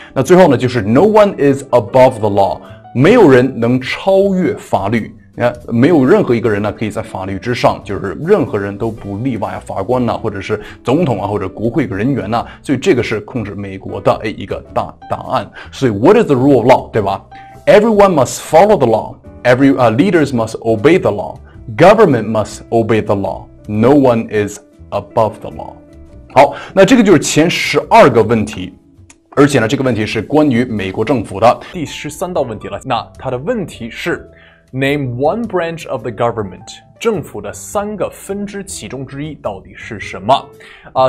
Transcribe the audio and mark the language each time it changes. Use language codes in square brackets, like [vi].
[zh] 那最后呢，就是 No one is above the law，没有人能超越法律。没有任何一个人呢可以在法律之上，就是任何人都不例外，法官呢，或者是总统啊，或者国会人员呢，所以这个是控制美国的一个大答案。 [en] 所以 What is the rule of law，对吧？ Everyone must follow the law， leaders must obey the law， government must obey the law， no one is above the law。 [zh] 好，那这个就是前十二个问题，而且呢这个问题是关于美国政府的。第十三道问题了，那它的问题是 Name one branch of the government，政府的三个分支其中之一到底是什么？